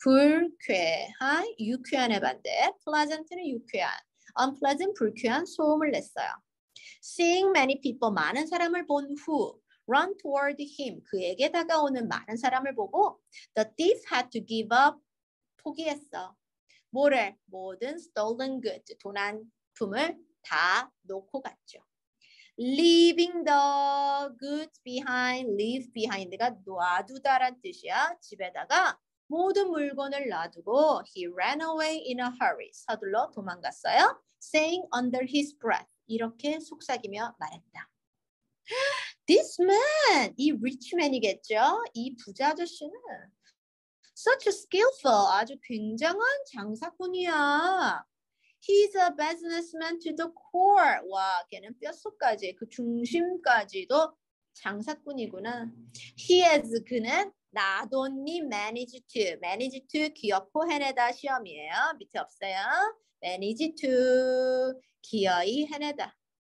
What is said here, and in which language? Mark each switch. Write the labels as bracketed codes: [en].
[ko] 불쾌한, 유쾌한의 반대, pleasant는 유쾌한, unpleasant, 불쾌한 소음을 냈어요. [en] Seeing many people, [ko] 많은 사람을 본 후, [en] run toward him, [ko] 그에게 다가오는 많은 사람을 보고 [en] the thief had to give up, [ko] 포기했어. 뭐래? 모든 stolen goods, 도난품을 다 놓고 갔죠. [en] Leaving the goods behind, leave behind가 [ko] 놔두다란 뜻이야. 집에다가 모든 물건을 놔두고 [en] he ran away in a hurry, [ko] 서둘러 도망갔어요. [en] Saying under his breath, [ko] 이렇게 속삭이며 말했다. [en] This man, 이 rich man이겠죠? [ko] 이 부자 아저씨는 [en] such a skillful, [ko] 아주 굉장한 장사꾼이야. [en] He's a businessman to the core. [ko] 와, 걔는 뼛속까지, 그 중심까지도 장사꾼이구나. [en] He has, [ko] 그는 [en] not only managed to [ko] 기어코 해내다 시험이에요. 밑에 없어요. [en] Manage to, [ko] 기어이 해내다.